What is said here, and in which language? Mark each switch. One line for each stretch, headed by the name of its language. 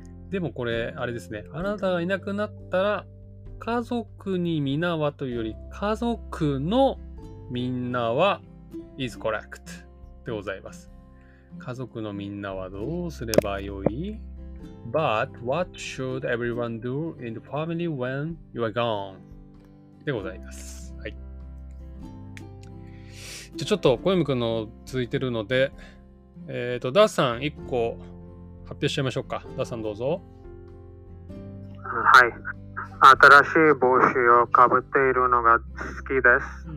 Japanese: でもこれあれですね、あなたがいなくなったら家族に皆はというより家族のみんなは
English: is correct
Japanese: でございます。家族のみんなはどうすればよい？
English: But what should everyone do in the family when you are gone?
Japanese: でございます。はい。じゃあちょっと小泉くんの続いてるので、ダーさん一個発表しちゃいましょうか。ダーさんどうぞ。はい。新しい帽子をかぶっているのが好きです。